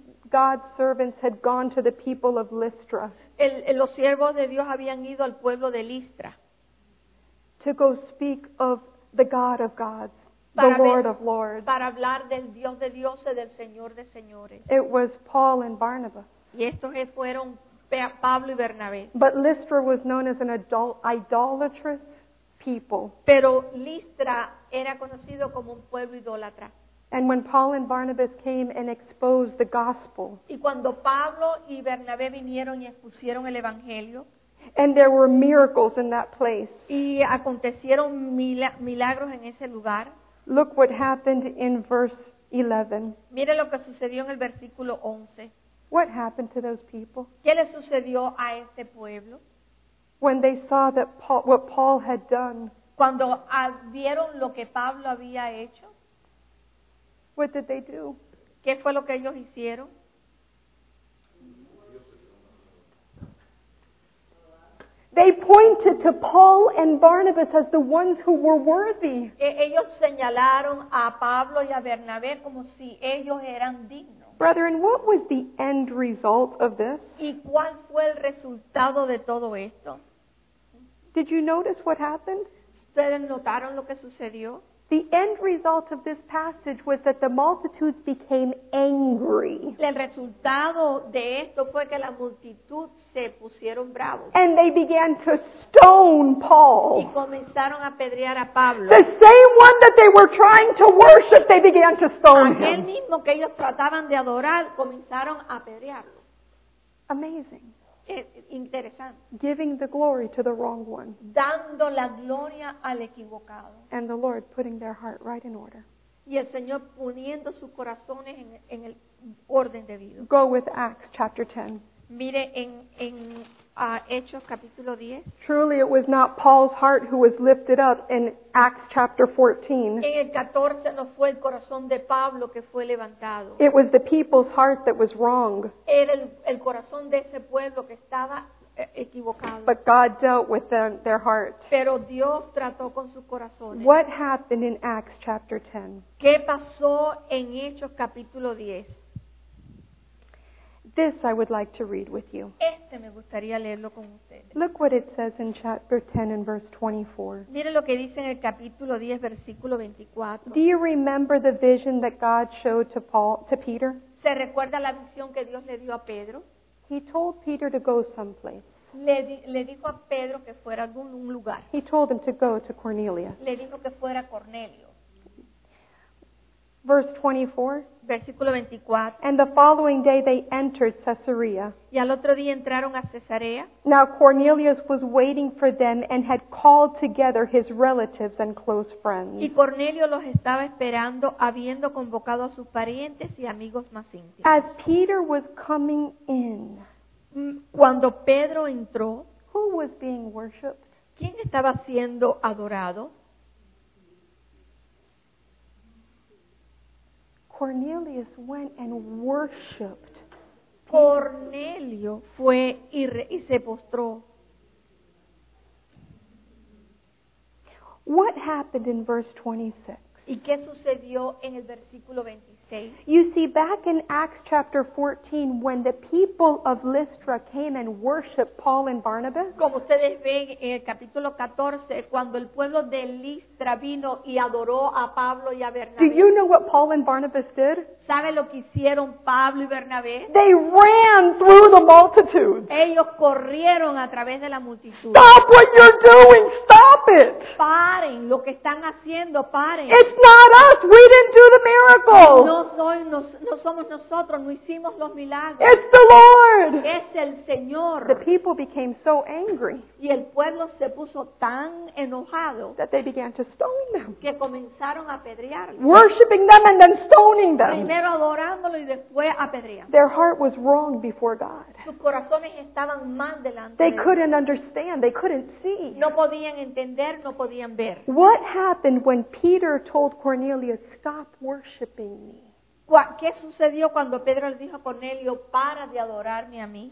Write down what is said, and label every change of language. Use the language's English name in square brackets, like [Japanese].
[English] God's servants had gone to the people of Lystra. [Spanish] Los siervos de Dios habían ido al pueblo de Listra. [English] To go speak of the God of gods, the Lord of lords. [Spanish] Para hablar del Dios de dioses, del Señor de señores. [English] It was Paul and Barnabas. [Spanish] Y estos fueron Pablo y Bernabé. [English] But Lystra was known as an idolatrous people. [Spanish] Pero Listra era conocido como un pueblo idólatra. [English] And when Paul and Barnabas came and exposed the gospel, [Spanish] y cuando Pablo y Bernabé vinieron y expusieron el evangelio, [English] and there were miracles in that place, [Spanish] y acontecieron milagros en ese lugar, [English] look what happened in verse 11. [Spanish] Mire lo que sucedió en el versículo 11. [English] What happened to those people? [Spanish] ¿Qué le sucedió a este pueblo? [English] When they saw that what Paul had done, [Spanish] cuando vieron lo que Pablo había hecho, [English] what did they do? [Spanish] ¿Qué fue lo que ellos hicieron? [English] They pointed to Paul and Barnabas as the ones who were worthy. [Spanish] Ellos señalaron a Pablo y a Bernabé como si ellos eran dignos. [English] Brethren, what was the end result of this? [Spanish] ¿Y cuál fue el resultado de todo esto? [English] Did you notice what happened? [Spanish] ¿Ustedes notaron lo que sucedió? [English] The end result of this passage was that the multitudes became angry. [Spanish] El resultado de esto fue que la multitud se pusieron bravos. [English] And they began to stone Paul. [Spanish] Y comenzaron a apedrear a Pablo. [English] The same one that they were trying to worship, they began to stone [Spanish] aquel [English] him. [Spanish] Aquel mismo que ellos trataban de adorar, comenzaron a apedrearlo. [English] Amazing. [Spanish] Interesante. [English] Giving the glory to the wrong one. [Spanish] Dando la gloria al equivocado. [English] And the Lord putting their heart right in order. [Spanish] Y el Señor poniendo sus corazones en el orden debido. [English] Go with Acts chapter 10. [Spanish] Mire en Hechos capítulo 10. [English] Truly it was not Paul's heart who was lifted up in Acts chapter 14. [Spanish] En el 14 no fue el corazón de Pablo que fue levantado. [English] It was the people's heart that was wrong. [Spanish] Era el corazón de ese pueblo que estaba equivocado. [English] But God dealt with their heart. [Spanish] Pero Dios trató con sus corazones. [English] What happened in Acts chapter 10? [Spanish] ¿Qué pasó en Hechos capítulo 10? [English] This I would like to read with you. [Spanish] Este me gustaría leerlo con ustedes. [English] Look what it says in chapter 10 and verse 24. [Spanish] Miren lo que dice en el capítulo 10, versículo 24. [English] Do you remember the vision that God showed to Paul, to Peter? [Spanish] ¿Se recuerda la visión que Dios le dio a Pedro? [English] He told Peter to go someplace. [Spanish] Le dijo a Pedro que fuera a algún lugar. [English] He told him to go to Cornelius. [Spanish] Le dijo que fuera a Cornelio. [English] Verse 24. [Spanish] Versículo 24. [English] And the following day they entered Caesarea. [Spanish] Y al otro día entraron a Cesarea. [English] Now Cornelius was waiting for them and had called together his relatives and close friends. [Spanish] Y Cornelio los estaba esperando, habiendo convocado a sus parientes y amigos más íntimos. [English] As Peter was coming in, [Spanish] cuando Pedro entró, [English] who was being worshipped? [Spanish] ¿Quién estaba siendo adorado? [English] Cornelius went and worshipped. [Spanish] Cornelio fue y se postró. [English] What happened in verse 26? [Spanish] ¿Y qué sucedió en el versículo 26? [English] You see, back in Acts chapter 14, when the people of Lystra came and worshipped Paul and Barnabas. [Spanish] Como ustedes ven en el capítulo 14, cuando el pueblo de Listra vino y adoró a Pablo y a Bernabé. [English] Do you know what Paul and Barnabas did? [Spanish] ¿Sabe lo que hicieron Pablo y Bernabé? [English] They ran through the multitude. [Spanish] Ellos corrieron a través de la multitud. [English] Stop what you're doing. Stop it. [Spanish] Paren lo que están haciendo. Paren. [English] It's not us. We didn't do the miracle. [Spanish] No somos nosotros. No hicimos los milagros. [English] It's the Lord. [Spanish] Es el Señor. [English] The people became so angry. [Spanish] Y el pueblo se puso tan enojado. [English] That they began to stone them. [Spanish] Que comenzaron a apedrearlos. [English] Worshipping them and then stoning them. [Spanish] Primero adorándolo y después apedreando. [English] Their heart was wrong before God. [Spanish] Sus corazones estaban mal delante. [English] They couldn't understand. They couldn't see. [Spanish] No podían entender, no podían ver. [English] What happened when Peter told Cornelius, "Stop worshiping me"? [Spanish] ¿Qué sucedió cuando Pedro le dijo a Cornelio, "Para de adorarme a mí"?